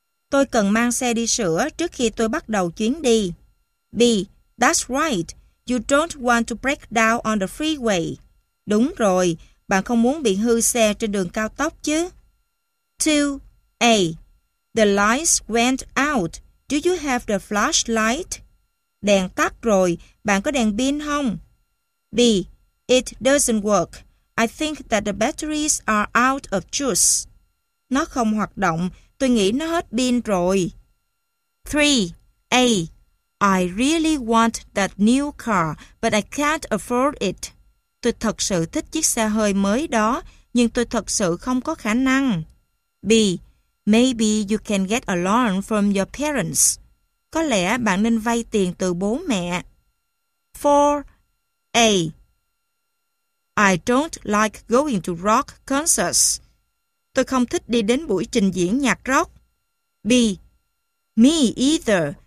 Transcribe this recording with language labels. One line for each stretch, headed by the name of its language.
Vietnamese: Tôi cần mang xe đi sửa trước khi tôi bắt đầu chuyến đi.
English: B. That's right. You don't want to break down on the freeway.
Vietnamese: Đúng rồi, bạn không muốn bị hư xe trên đường cao tốc chứ.
English: 2. A. The lights went out. Do you have the flashlight?
Vietnamese: Đèn tắt rồi, bạn có đèn pin không?
English: B. It doesn't work. I think that the batteries are out of juice.
Vietnamese: Nó không hoạt động, tôi nghĩ nó hết pin rồi.
English: 3. A. I really want that new car, but I can't afford it.
Vietnamese: Tôi thật sự thích chiếc xe hơi mới đó, nhưng tôi thật sự không có khả năng.
English: B. Maybe you can get a loan from your parents.
Vietnamese: Có lẽ bạn nên vay tiền từ bố mẹ. 4. A.
English: I don't like going to rock concerts.
Vietnamese: Tôi không thích đi đến buổi trình diễn nhạc rock. B.
English: Me either.